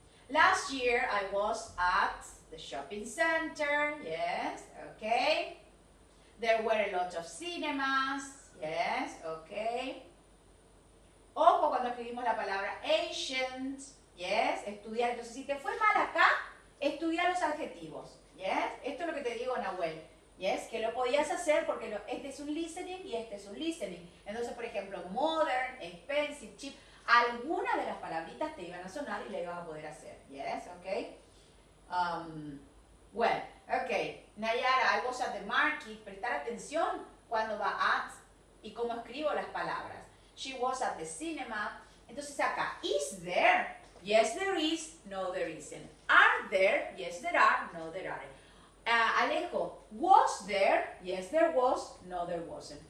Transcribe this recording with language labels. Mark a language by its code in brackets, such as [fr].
[en] Last year I was at the shopping center, yes, okay. There were a lot of cinemas, yes, okay. [es] Ojo cuando escribimos la palabra ancient, yes, estudiar. Entonces, si te fue mal acá, estudia los adjetivos, yes. Esto es lo que te digo, Nahuel, yes, que lo podías hacer porque este es un listening y este es un listening. Entonces, por ejemplo, modern, expensive, cheap, alguna de las palabritas te iban a sonar y la ibas a poder hacer, yes, okay. [en] Well, okay, Nayara, I was at the market. [es] Prestar atención cuando va at y cómo escribo las palabras. [en] She was at the cinema. [es] Entonces acá, [en] is there? Yes, there is. No, there isn't. Are there? Yes, there are. No, there aren't. Alejo, was there? Yes, there was. No, there wasn't.